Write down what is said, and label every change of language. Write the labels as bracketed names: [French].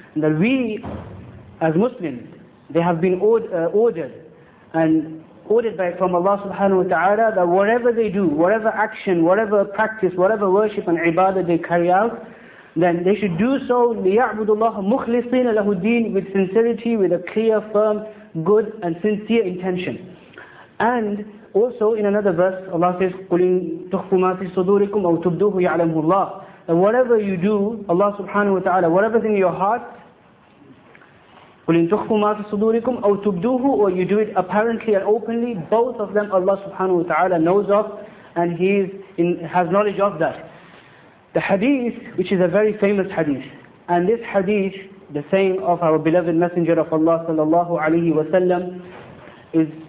[English] That we, as Muslims, they have been ordered by from Allah subhanahu wa ta'ala, that whatever they do, whatever action, whatever practice, whatever worship and ibadah they carry out, then they should do so, [Arabic] لِيَعْبُدُوا اللَّهَ مُخْلِصِينَ لَهُ الدِّينَ, [English] with sincerity, with a clear, firm, good and sincere intention. And also in another verse, Allah says, [Arabic] قُلْ إِن تُخْفُوا مَا فِي صُدُورِكُمْ أَوْ تُبْدُوهُ يَعْلَمُهُ اللَّهُ. [English] That whatever you do, Allah subhanahu wa ta'ala, whatever's in your heart, [Arabic] قُلْ إِن تُخْفُوا مَا فِي صُدُورِكُمْ أَوْ تُبْدُوهُ, [English] or you do it apparently and openly, both of them Allah subhanahu wa ta'ala knows of, and He is in, has knowledge of that. The hadith, which is a very famous hadith, and this hadith, the saying of our beloved Messenger of Allah sallallahu alayhi wa sallam, is